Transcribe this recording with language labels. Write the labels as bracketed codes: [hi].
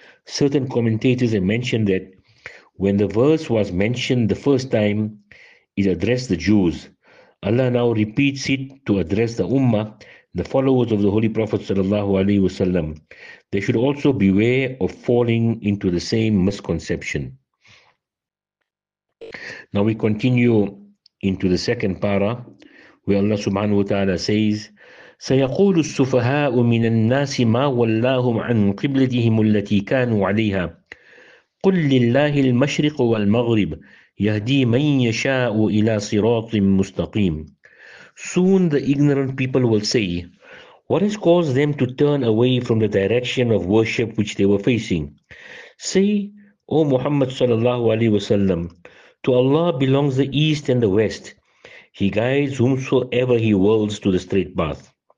[en] Certain commentators have mentioned that when the verse was mentioned the first time, it addressed the Jews. Allah now repeats it to address the Ummah, the followers of the Holy Prophet sallallahu alaihi wasallam. They should also beware of falling into the same misconception. Now we continue into the second para, where Allah subhanahu wa ta'ala says, [ar] سَيَقُولُ السُّفَهَاءُ مِنَ النَّاسِ مَا وَلَّاهُمْ عَنْ قِبْلَتِهِمُ الَّتِي كَانُوا عَلَيْهَا قُلْ لِلَّهِ الْمَشْرِقُ وَالْمَغْرِبُ يَهْدِي مَنْ يَشَاءُ إِلَى صِرَاطٍ مُسْتَقِيمٍ. [en] Soon the ignorant people will say, what has caused them to turn away from the direction of worship which they were facing? Say, O Muhammad sallallahu alaihi wasallam, to Allah belongs the east and the west. He guides whomsoever he wills to the straight path.